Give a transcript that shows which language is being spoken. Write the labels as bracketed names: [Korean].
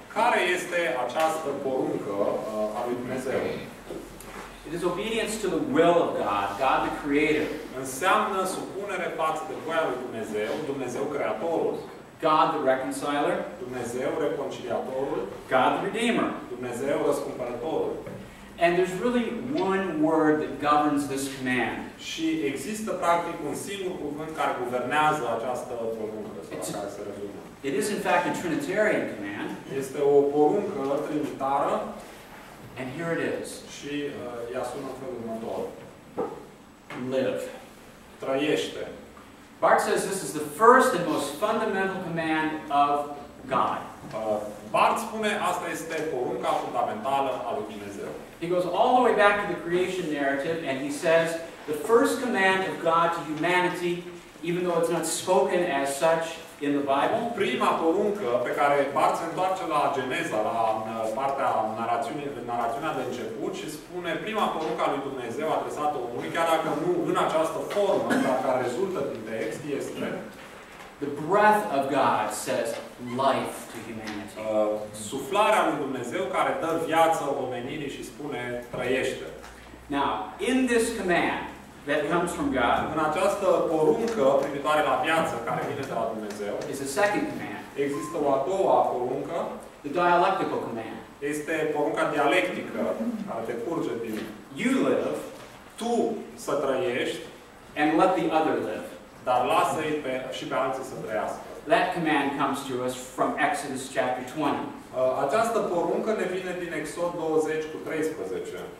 [Romanian] Care este această poruncă a lui Dumnezeu? [English] It is obedience to the will of God, God the Creator. [Romanian] Înseamnă supunere față de voia lui Dumnezeu, Dumnezeu Creatorul. [English] God the Reconciler. [Romanian] Dumnezeu Reconciliatorul. [English] God the Redeemer. [Romanian] Dumnezeu Răscumpărătorul. [English] And there's really one word that governs this command. [Romanian] Și există practic un singur cuvânt care guvernează această poruncă. [English] It is in fact a Trinitarian command. [Romanian] Este o poruncă trinitară. [English] And here it is. [Romanian] Și ea sună în felul următor. [English] Live. [Romanian] Trăiește. [English] Bart says this is the first and most fundamental command of God. [Romanian] Bart spune asta este porunca fundamentală a lui Dumnezeu. [English] He goes all the way back to the creation narrative and he says the first command of God to humanity, even though it's not spoken as such, in the Bible. [Romanian] Prima poruncă pe care Bart se întoarce la Geneza, la partea narațiunea de început și spune prima poruncă a lui Dumnezeu adresată omului, chiar dacă nu în această formă, dar care rezultă din text, este [English] the breath of God says life to humanity. [Romanian] Suflarea lui Dumnezeu care dă viață omenirii și spune trăiește. [English] Now, in this command that comes from God, [Romanian] în această poruncă privitoare la viață care vine de la Dumnezeu, [English] is a second command. [Romanian] Există o a doua poruncă, [English] the dialectical command. [Romanian] Este porunca dialectică care decurge din [English] you live, [Romanian] tu să trăiești, [English] and let the other live. [Romanian] Dar lasă-i pe, și pe alții să trăiască. [English] That command comes to us from Exodus chapter 20. [Romanian] Această poruncă ne vine din Exod 20 cu 13.